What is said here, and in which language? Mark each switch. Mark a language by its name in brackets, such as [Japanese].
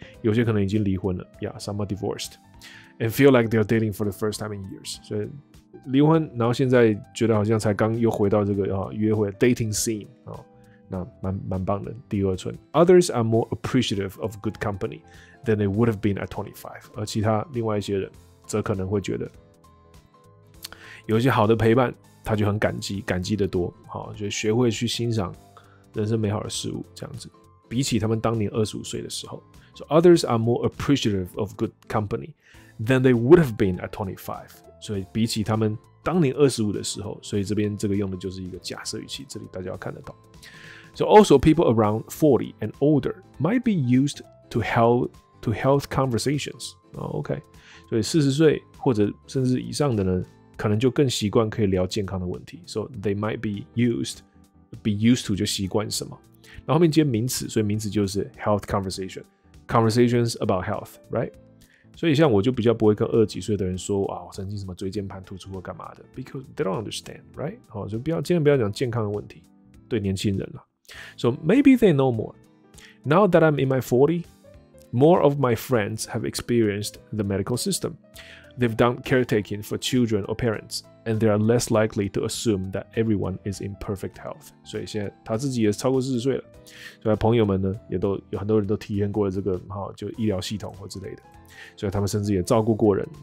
[Chinese] 有些可能已经离婚了， [English] yeah, some are divorced and feel like they're dating for the first time in years. [Chinese] 所以离婚，然后现在觉得好像才刚又回到这个、约会 [English] dating scene、 [Chinese] 那蛮棒的第二春。 [English] Others are more appreciative of good company than they would have been at 25. [Chinese] 而其他另外一些人则可能会觉得有一些好的陪伴，他就很感激，感激的多，好，就学会去欣赏人生美好的事物，这样子。比起他们当年25岁的时候 [English] ，so others are more appreciative of good company than they would have been at 25。 [Chinese] 所以比起他们当年25的时候，所以这边这个用的就是一个假设语气，这里大家要看得到。 [English] So also people around 40 and older might be used to health conversations. [Chinese] OK， 所以40岁或者甚至以上的呢，可能就更习惯可以聊健康的问题， [English] so they might be used to [Chinese] 就习惯什么，然后后面接名词，所以名词就是 [English] health conversation， conversations about health， right？ [Chinese] 所以像我就比较不会跟二十几岁的人说啊，我曾经什么椎间盘突出或干嘛的， [English] because they don't understand， right？ [Chinese] 好，就不要，尽量不要讲健康的问题，对年轻人了。 [English] So maybe they know more. Now that I'm in my 40, more of my friends have experienced the medical system. They've done caretaking for children or parents, and they are less likely to assume that everyone is in perfect health. [Chinese] 所以现在他自己也超过40岁了，所以朋友们呢也都有很多人都体验过了这个就医疗系统或之类的，所以他们甚至也照顾过人。